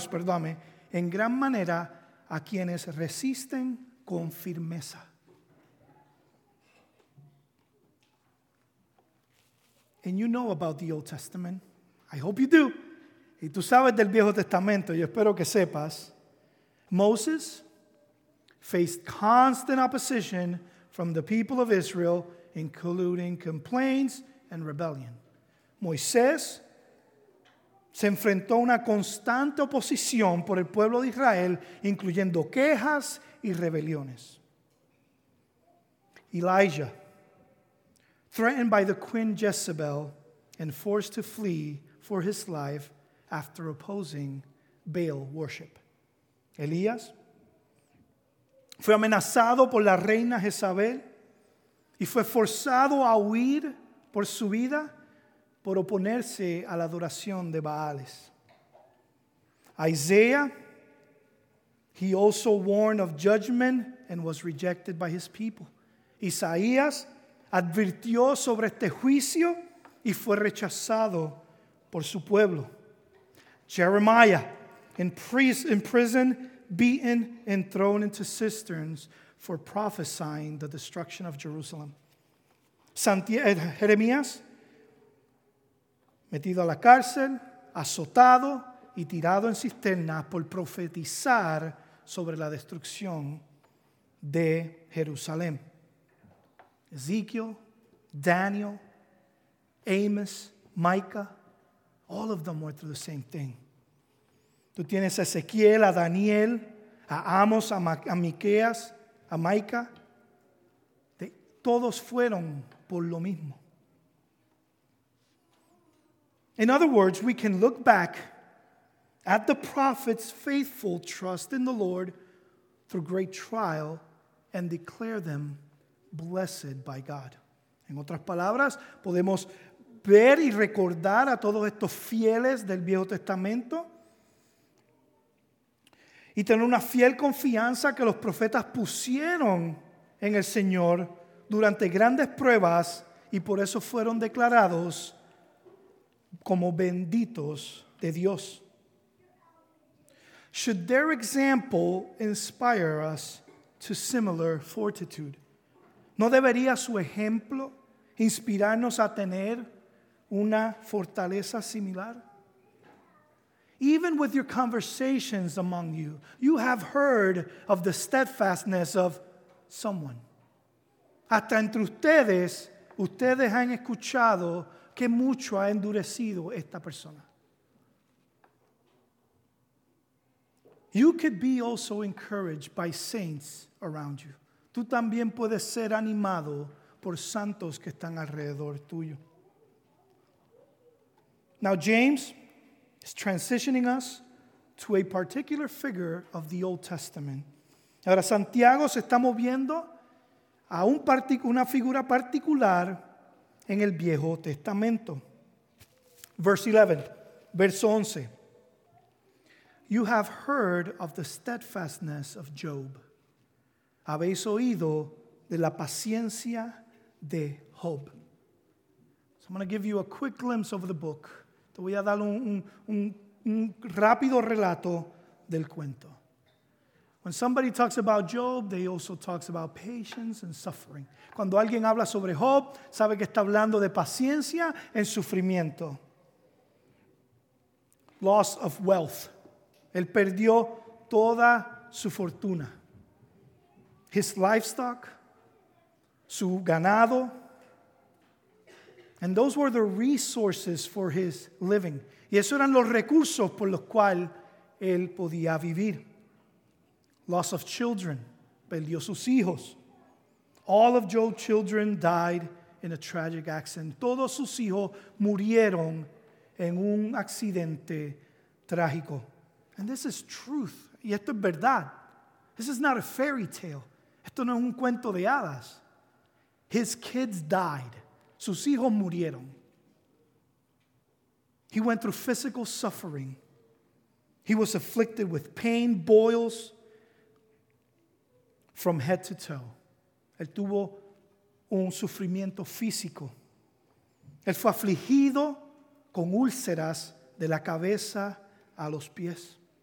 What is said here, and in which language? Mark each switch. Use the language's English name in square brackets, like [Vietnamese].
[Spanish] Honramos en gran manera a quienes resisten con firmeza. [English] And you know about the Old Testament. I hope you do. [Spanish] Y tú sabes del Viejo Testamento. Yo espero que sepas. [English] Moses faced constant opposition from the people of Israel, including complaints and rebellion. [Spanish] Moisés se enfrentó a una constante oposición por el pueblo de Israel, incluyendo quejas y rebeliones. [English] Elijah, threatened by the queen Jezebel and forced to flee for his life after opposing Baal worship. [Spanish] Elías fue amenazado por la reina Jezabel y fue forzado a huir por su vida por oponerse a la adoración de Baales. [English] Isaiah, he also warned of judgment and was rejected by his people. [Spanish] Isaías advirtió sobre este juicio y fue rechazado por su pueblo. [English] Jeremiah, imprisoned, beaten, and thrown into cisterns for prophesying the destruction of Jerusalem. [Spanish] Jeremías, metido a la cárcel, azotado y tirado en cisterna por profetizar sobre la destrucción de Jerusalén. [English] Ezekiel, Daniel, Amos, Micah, all of them went through the same thing. [Spanish] Tú tienes a Ezequiel, a Daniel, a Amos, a Miqueas, a Micah. Todos fueron por lo mismo. [English] In other words, we can look back at the prophet's faithful trust in the Lord through great trial and declare them blessed by God. [Spanish] En otras palabras, podemos ver y recordar a todos estos fieles del Viejo Testamento y tener una fiel confianza que los profetas pusieron en el Señor durante grandes pruebas y por eso fueron declarados como benditos de Dios. [English] Should their example inspire us to similar fortitude? [Spanish] ¿No debería su ejemplo inspirarnos a tener una fortaleza similar? [English] Even with your conversations among you, you have heard of the steadfastness of someone. [Spanish] Hasta entre ustedes, ustedes han escuchado que mucho ha endurecido esta persona. [English] You could be also encouraged by saints around you. [Spanish] Tú también puedes ser animado por santos que están alrededor tuyo. [English] Now James is transitioning us to a particular figure of the Old Testament. [Spanish] Ahora Santiago se está moviendo a una figura particular en el Viejo Testamento. Verso 11. [English] You have heard of the steadfastness of Job. [Spanish] Habéis oído de la paciencia de Job. [English] So I'm going to give you a quick glimpse of the book. [Spanish] Te voy a dar un rápido relato del cuento. [English] When somebody talks about Job, they also talks about patience and suffering. [Spanish] Cuando alguien habla sobre Job, sabe que está hablando de paciencia en sufrimiento. [English] Loss of wealth. [Spanish] Él perdió toda su fortuna. [English] His livestock, [Spanish] su ganado. [English] And those were the resources for his living. [Spanish] Y esos eran los recursos por los cuales él podía vivir. [English] Loss of children, [Spanish] perdió sus hijos. [English] All of Job's children died in a tragic accident. [Spanish] Todos sus hijos murieron en un accidente trágico. [English] And this is truth. [Spanish] Y esto es verdad. [English] This is not a fairy tale. [Spanish] Esto no es un cuento de hadas. [English] His kids died. [Spanish] Sus hijos murieron. [English] He went through physical suffering. He was afflicted with pain, boils, from head to toe. [Spanish] Él tuvo un sufrimiento físico. Él fue afligido con úlceras de la cabeza a los pies.